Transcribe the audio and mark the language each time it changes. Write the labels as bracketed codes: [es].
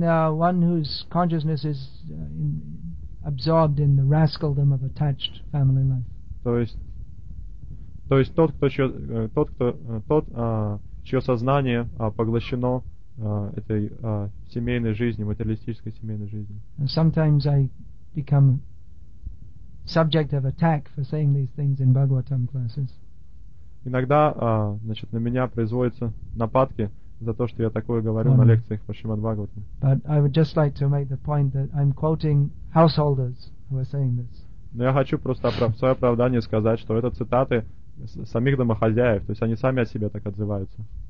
[en] One whose consciousness is absorbed in the rascaldom of attached family life. [ru] То есть чье сознание поглощено этой семейной жизнью, материалистической семейной жизнью. [en] And sometimes I become subject of attack for saying these things in Bhagavatam classes. [ru] Иногда, значит, на меня производятся нападки за то, что я такое говорю на лекциях по Шримад Бхагаватам. [en] But I would just like to make the point that I'm quoting householders who are saying this. [ru] Но я хочу просто свое оправдание сказать, что это цитаты самих домохозяев, то есть они сами о себе так отзываются.